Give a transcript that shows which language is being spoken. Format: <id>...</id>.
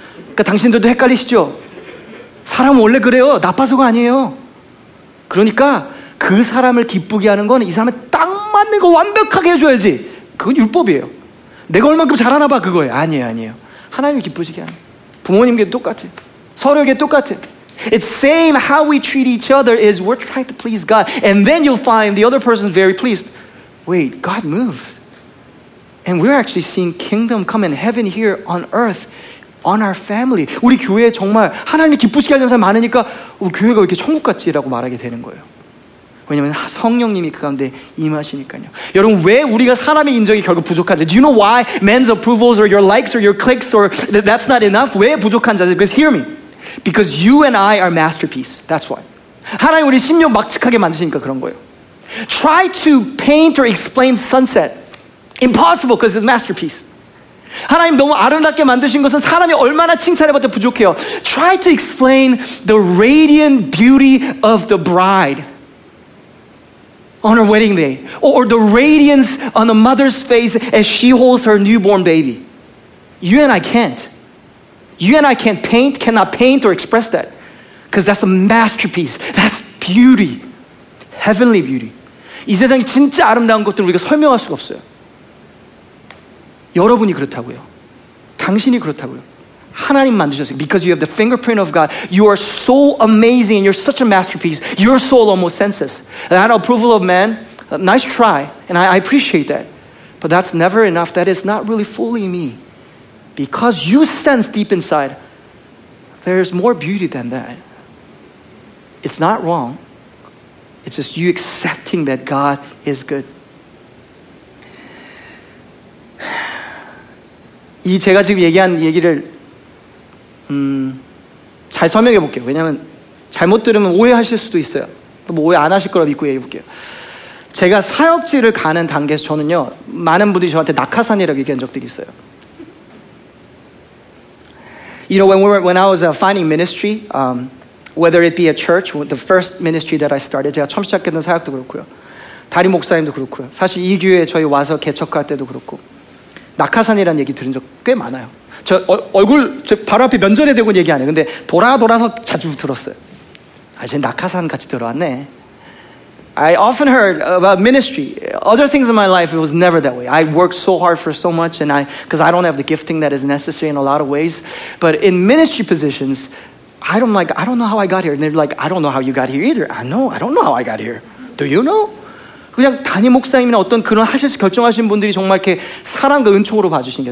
<ko>그러니까 당신들도 헷갈리시죠? 사람은 원래 그래요. 나빠서가 아니에요. 그러니까 그 사람을 기쁘게 하는 건 이 사람에 딱 맞는 거 완벽하게 해줘야지. 그건 율법이에요. 내가 얼만큼 잘하나 봐 그거예요. 아니에요. 아니에요. 하나님이 기쁘시게 하는 거예요. 부모님께도 똑같아요. 서로에게 똑같아요.</ko> <en>It's same how we treat each other is we're trying to please God. And then you'll find the other person's very pleased. Wait, God moved. And we're actually seeing kingdom come in heaven here on earth. On our family.</en> <ko>우리 교회에 정말 하나님이 기쁘시게 하는 사람 많으니까 우리 교회가 왜 이렇게 천국같지? 라고 말하게 되는 거예요. 왜냐면 성령님이 그 가운데 임하시니까요. 여러분 왜 우리가 사람의 인정이 결국 부족한지</ko> <en>Do you know why men's approvals or your likes or your clicks or that's not enough?</en> <ko>왜 부족한지 아세요?</ko> <en>Because hear me. Because you and I are masterpiece. That's why.</en> <ko>하나님 우리 심령 막직하게 만드시니까 그런 거예요.</ko> <en>Try to paint or explain sunset. Impossible because it's a masterpiece.</en> <ko>하나님 너무 아름답게 만드신 것은 사람이 얼마나 칭찬해봤자 부족해요.</ko> <en>Try to explain the radiant beauty of the bride on her wedding day or the radiance on the mother's face as she holds her newborn baby. You and I can't. You and I can't paint, cannot paint or express that. Because that's a masterpiece. That's beauty. Heavenly beauty.</en> <ko>이 세상이 진짜 아름다운 것들을 우리가 설명할 수가 없어요. 여러분이 그렇다고요. 당신이 그렇다고요. 하나님 만드셨어요.</ko> <en>Because you have the fingerprint of God, you are so amazing and you're such a masterpiece. Your soul almost senses. That approval of man, nice try, and I appreciate that. But that's never enough. That is not really fully me. Because you sense deep inside, there's more beauty than that. It's not wrong. It's just you accepting that God is good.</en> <ko>이 제가 지금 얘기한 얘기를 잘 설명해 볼게요. 왜냐하면 잘못 들으면 오해하실 수도 있어요. 또 뭐 오해 안 하실 거라고 믿고 얘기해 볼게요. 제가 사역지를 가는 단계에서 저는요, 많은 분들이 저한테 낙하산이라고 얘기한 적들이 있어요.</ko> <en>You know, when I was finding ministry, whether it be a church, the first ministry that I started,</en> <ko>제가 처음 시작했던 사역도 그렇고요. 다리 목사님도 그렇고요. 사실 이 교회에 저희 와서 개척할 때도 그렇고. 낙하산이라는 얘기 들은 적 꽤 많아요. 저 얼굴 저 바로 앞에 면전에 대고는 얘기 안 해요. 근데 돌아서 자주 들었어요. 아, 쟤 낙하산 같이 들어왔네.</ko> <en>I often heard about ministry. Other things in my life, it was never that way. I worked so hard for so much, and because I don't have the gifting that is necessary in a lot of ways. But in ministry positions, I don't know how I got here. And they're like, I don't know how you got here either. I know, I don't know how I got here. Do you know?</en> <ko>그냥 담임 목사님이나 어떤 그런 하셔서 결정하신 분들이 정말 이렇게 사랑과 은총으로 봐주신 게.</ko>